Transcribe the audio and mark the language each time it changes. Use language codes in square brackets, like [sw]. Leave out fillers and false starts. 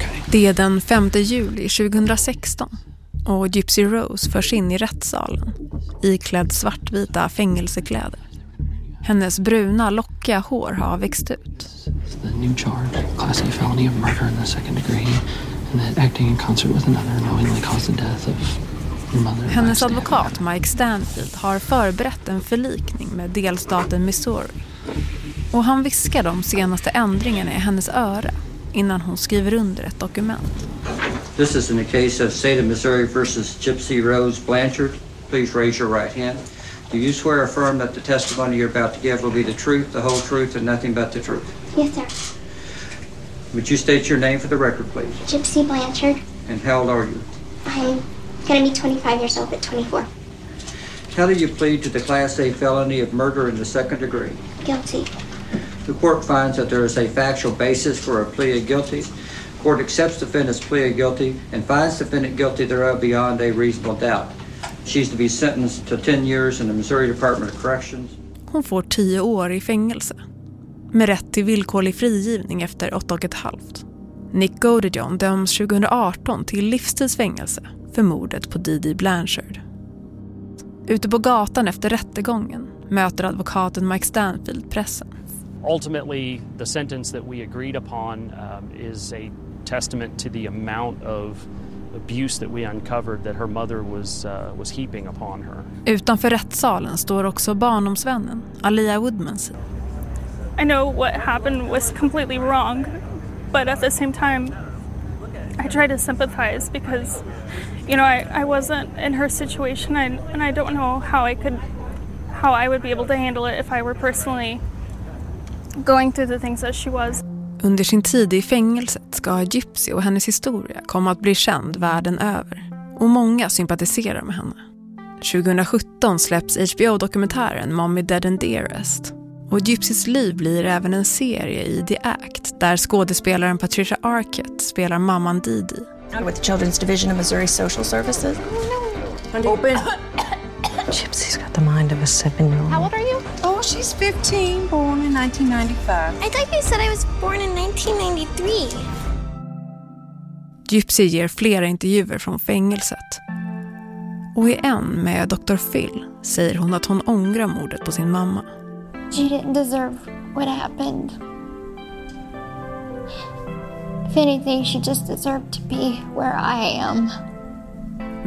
[sv] Det är den 5 juli 2016 och Gypsy Rose förs in i rättssalen iklädd svartvita fängelsekläder. Hennes bruna lockiga hår har växt ut. [en] The new charge, class A felony of murder in the second degree, and that acting in concert with another knowingly caused the death of your mother. [sv] Hennes advokat Mike Stanfield har förberett en förlikning med delstaten Missouri. Och han viskar de senaste ändringarna i hennes öra innan hon skriver under ett dokument. [en] This is in the case of State of Missouri versus Gypsy Rose Blanchard. Please raise your right hand. Do you swear or affirm that the testimony you're about to give will be the truth, the whole truth, and nothing but the truth? Yes, sir. Would you state your name for the record, please? Gypsy Blanchard. And how old are you? I'm going to be 25 years old at 24. How do you plead to the Class A felony of murder in the second degree? Guilty. The court finds that there is a factual basis for a plea of guilty. Court accepts defendant's plea of guilty and finds defendant guilty thereof beyond a reasonable doubt. She's to be sentenced to 10 years in the Missouri Department of Corrections. [sv] Hon får 10 år i fängelse med rätt till villkorlig frigivning efter 8,5. Nick Godijon döms 2018 till livstidsfängelse för mordet på Didi Blanchard. Ute på gatan efter rättegången möter advokaten Mike Stanfield pressen. [en] Ultimately, the sentence that we agreed upon is a testament to the amount of abuse that we uncovered that her mother was heaping upon her. [sv] Utanför rättssalen står också barnomsvännen Aaliyah Woodmans. [en] I know what happened was completely wrong, but at the same time I try to sympathize because you know I wasn't in her situation and I don't know how I would be able to handle it if I were personally going through the things that she was. [sv] Under sin tid i fängelset ska Gypsy och hennes historia komma att bli känd världen över. Och många sympatiserar med henne. 2017 släpps HBO-dokumentären Mommy Dead and Dearest. Och Gypsys liv blir även en serie i The Act där skådespelaren Patricia Arquette spelar mamman Didi. [en] With the Children's Division of Missouri Social Services. Open. Gypsy's got the mind of a 7-year-old. How old are you? Oh, she's 15, born in 1995. I thought you said I was born in 1993. [sv] Gypsy ger flera intervjuer från fängelset. Och i en med Dr. Phil säger hon att hon ångrar mordet på sin mamma. [en] She didn't deserve what happened. If anything, she just deserved to be where I am.